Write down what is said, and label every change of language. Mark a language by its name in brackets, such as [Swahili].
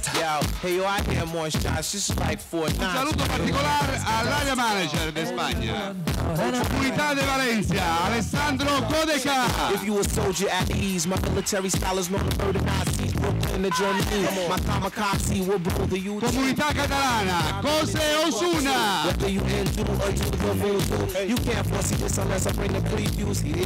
[Italian] Un saluto particolare all'area manager di Spagna, comunità di Valencia, Alessandro Codeca. [English] If you a soldier at ease, my military style is known for the Nazis, Brooklyn to Germany, my kamikaze will blow the youth. [Italian] Comunità catalana, Cose Osuna. [English] Whether you into or do the voodoo, you can't foresee this unless I bring the previews.